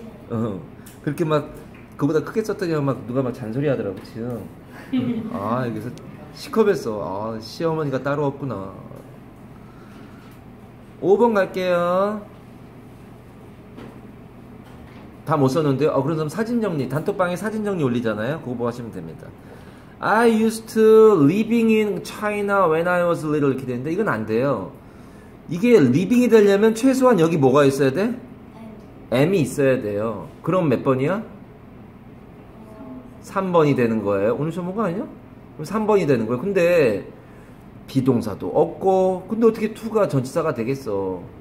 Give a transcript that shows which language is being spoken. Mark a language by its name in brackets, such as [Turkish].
[Korean] 어, 그렇게 막 그보다 크게 썼더니 막 누가 막 잔소리 하더라고, 지금. 아, 여기서 시커벳어. 아, 시어머니가 따로 없구나. 5번 갈게요. 다 못 썼는데요? 어, 그런 다음 사진 정리. 단톡방에 사진 정리 올리잖아요? 그거 보고 하시면 됩니다. [English] I used to living in China when I was little. [Korean] 이렇게 되는데, 이건 안 돼요. 이게 living이 되려면 최소한 여기 뭐가 있어야 돼? M이 있어야 돼요. 그럼 몇 번이야? 3번이 되는 거예요. 오늘 처음 본 거 아니야? 그럼 3번이 되는 거예요. 근데, 비동사도 없고, 근데 어떻게 to가 전치사가 되겠어?